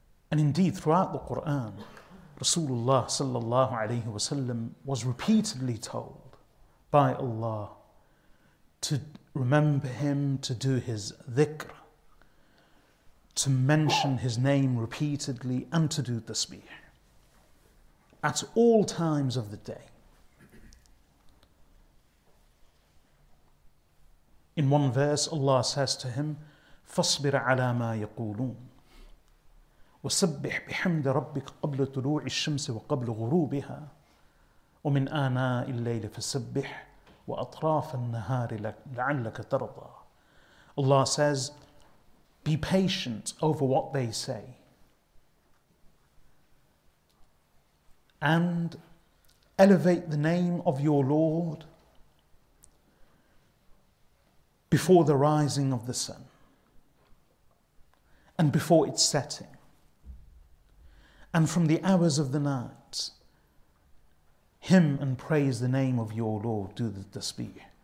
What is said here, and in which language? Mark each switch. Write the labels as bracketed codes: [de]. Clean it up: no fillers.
[en] And indeed, throughout the Quran, Rasulullah ﷺ was repeatedly told by Allah to remember him, to do his dhikr, to mention his name repeatedly, and to do tasbih at all times of the day. In one verse, Allah says to him, [ar] فَاصْبِرْ عَلَى مَا يَقُولُونَ وَسَبِّحْ بِحَمْدَ رَبِّكَ قَبْلَ طُلُوعِ الشَّمْسِ وَقَبْلَ غُرُوبِهَا وَمِنْ آنَاءِ اللَّيْلِ فَسَبِّحْ وَأَطْرَافَ النَّهَارِ لَعَلَّكَ تَرْضَى. [en] Allah says, be patient over what they say. And elevate the name of your Lord before the rising of the sun and before its setting, and from the hours of the night, hymn and praise the name of your Lord, do the tasbih.